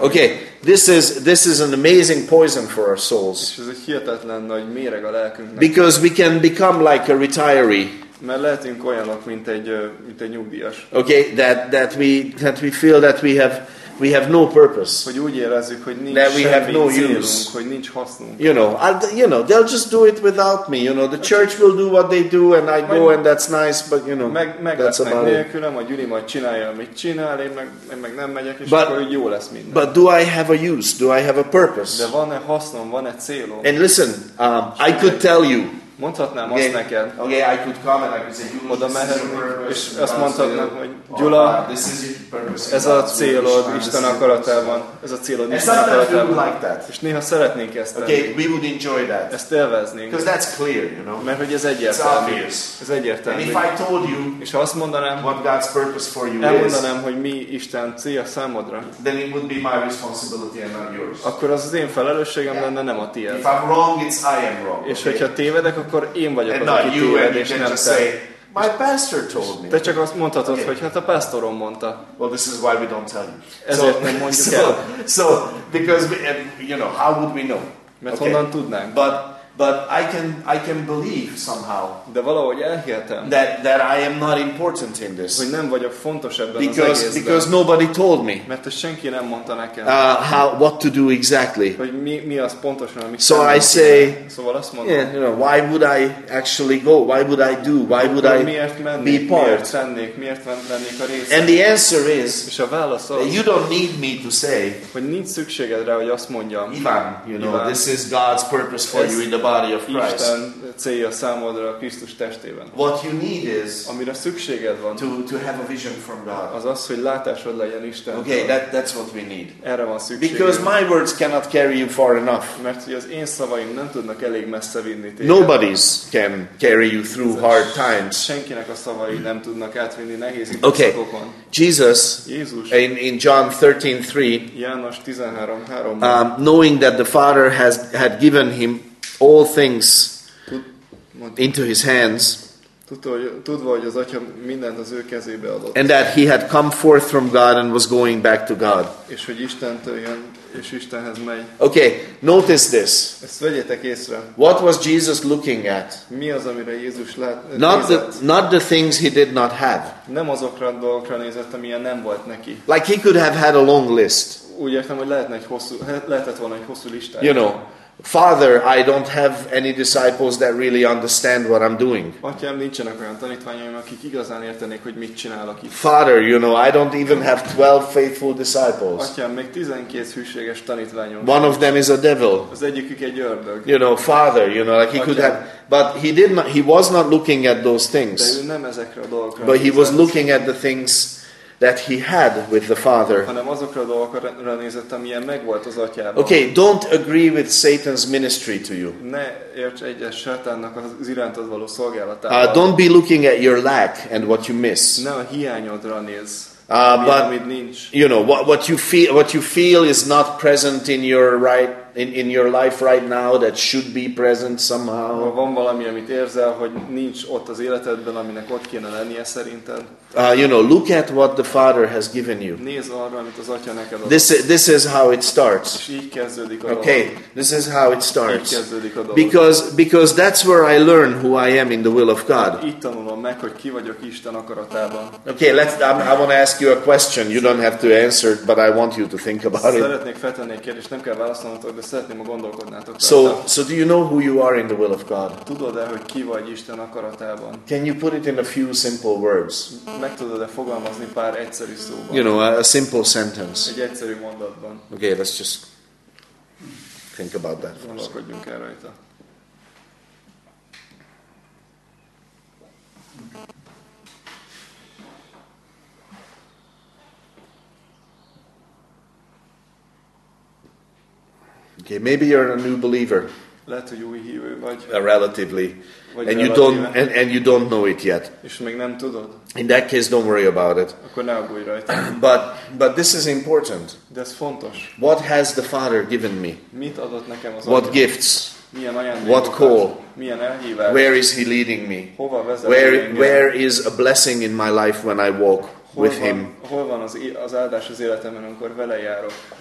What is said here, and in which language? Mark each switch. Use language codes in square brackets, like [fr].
[en] Okay, this is an amazing poison for our souls. [hu] És ez egy hihetetlen nagy méreg a lelkünknek. [en] Because we can become like a retiree. [hu] Mert lehetünk olyanok, mint egy nyugdíjas. [en] Okay, that we feel that we have no purpose. [hu] Hogy úgy érezzük, hogy nincs semmi célunk, hogy nincs hasznunk. [en] You know, they'll just do it without me. You know, the church will do what they do, and I go, and that's nice. But you know, that's about it. [hu] Meg nélkülem, a gyűli majd csinálja, amit csinál, én meg nem megyek, és akkor jó lesz minden. [en] But do I have a use? Do I have a purpose? [hu] De van-e hasznom, van-e célom? [en] And listen, I could tell you. [hu] Mondhatnám azt neked. [en] Okay, I could come and I could say, [hu] oda mehetünk, és azt mondhatnám, hogy Gyula, ez a célod, Isten akaratában. Ez a célod, Isten akaratában. És néha szeretnénk ezt tenni. [en] Okay, we would enjoy that. [hu] Ezt élveznénk. [en] Because that's clear, you know. [hu] Mert hogy ez egyértelmű. Ez egyértelmű. [en] And if I told you, [hu] és ha azt mondanám, [en] what God's purpose for you [hu] elmondanám, hogy mi Isten célja számodra, [en] then it would be my responsibility and not yours. [hu] Akkor az én felelősségem lenne, nem a tiéd. [en] If I'm wrong, it's I am wrong. [hu] És hogyha tévedek, akkor én vagyok az, aki téved, és nem te. [en] My pastor told me. [hu] Te csak azt mondhatod, hogy hát a pásztorom mondta. [en] Well, this is why we don't tell you. [hu] Ezért nem mondjuk el. [en] So because we, you know, how would we know? [hu] Mert honnan tudnánk? [en] But I can believe somehow. [hu] De valahogy elhihetem. [en] That I am not important in this. [hu] Hogy nem vagyok fontos ebben [en] because, [hu] az egészben. [en] Because nobody told me. [hu] Mert senki nem mondta nekem. [en] How what to do exactly? [hu] Hogy mi az pontosan, amit [en] so I say. [hu] Szóval azt mondom. [en] Yeah, you know, why would I actually go? Why would I do? Why would I be part? [hu] Miért vennék a részt? [en] And the answer is. [hu] És a válasz az. [en] You don't need me to say. [hu] Hogy nincs szükséged rá, hogy azt mondjam. [en] Imán, you know, this is God's purpose for you. The body of Christ. [hu] Isten célja számodra a Krisztus testében. [en] What you need is, [hu] amire szükséged van, [en] to have a vision from God. [hu] Az az, hogy látásod legyen Isten. [en] Okay, that's what we need. [hu] Erre van szükség. [en] Because my words cannot carry you far enough. [hu] Mert az én szavaim nem tudnak elég messze vinni téged. [en] Nobody's can carry you through hard times. [hu] Senkinek a szavai nem tudnak átvinni nehéz időszakokon. [en] Okay. Jesus, in John 13:3, [hu] János 13:3, [en] knowing that the Father had given him all things into his hands, [hu] tudva, hogy az Atya mindent az ő kezébe adott, [en] and that he had come forth from God and was going back to God. [hu] És hogy Istentől jön, és Istenhez megy. [en] Okay, notice this. [hu] Ezt vegyétek észre. [en] What was Jesus looking at? [hu] Mi az, amire Jézus lát? [en] Not the things he did not have. [hu] Nem azokra a dolgokra nézett, amilyen nem volt neki. [en] Like he could have had a long list. [hu] Úgy értem, hogy lehetett volna egy hosszú listát. [en] You know, Father, I don't have any disciples that really understand what I'm doing. [hu] Atyám, nincsenek olyan tanítványaim, akik igazán értenék, hogy mit csinálok itt. [en] Father, you know, I don't even have 12 faithful disciples. [hu] Atyám, még 12 hűséges tanítványom. [en] One of them is a devil. [hu] Az egyikük egy ördög. [en] You know, Father, you know, like he could have, but he did not. He was not looking at those things. [hu] De ő nem ezekre a dolgokra. [en] But he was looking at the things that he had with the Father. [hu] Hanem azokra a dolgokra nézett, amilyen megvolt az Atyában. [en] Okay, don't agree with Satan's ministry to you. [hu] Ne érts egyet Sátánnak az irántad való szolgálatával. [en] Don't be looking at your lack and what you miss. [hu] Ne a hiányodra néz. [en] But [hu] nincs. [en] You know what you feel is not present in your right in your life right now that should be present somehow. [hu] Van valami, amit érzel, hogy nincs ott az életedben, aminek ott kéne lennie szerinted. [en] You know, look at what the Father has given you. [hu] Nézz arra, amit az Atya neked adott. [en] This is how it starts. [hu] És így kezdődik a dolog. [en] Okay, this is how it starts. [hu] Így kezdődik a dolog. [en] Because that's where I learn who I am in the will of God. [hu] Így tanulom meg, hogy ki vagyok Isten akaratában. [en] Okay, I want to ask you a question. You don't have to answer it, but I want you to think about it. [hu] Szeretnék feltenni egy kérdést, nem kell válaszolnatok, de szeretném, ha gondolkodnátok. [en] So do you know who you are in the will of God? [hu] Tudod-e, hogy ki vagy Isten akaratában? [en] Can you put it in a few simple words? [hu] Meg tudod-e fogalmazni pár egyszerű szóban? [en] You know, a simple sentence. [hu] Egy egyszerű mondatban. [en] Okay, let's just think about that. [hu] Gondolkodjunk el rajta. [en] Okay, maybe you're a new believer. [hu] Lehet, hogy új hívő vagy. [en] Relatively. And you don't know it yet. [hu] És még nem tudod. [en] In that case, don't worry about it. [hu] Akkor ne aggódj rajta. [en] But this is important. [hu] De ez fontos. [en] What has the Father given me? [hu] Mit adott nekem az [en] What gifts? [hu] Milyen ajándékokat? [en] What call? [hu] Milyen elhívás? [en] Where is he leading me? [hu] Hova vezet? [en] Where is a blessing in my life when I walk with him? [hu] Hol van az áldás az életemben, amikor vele járok?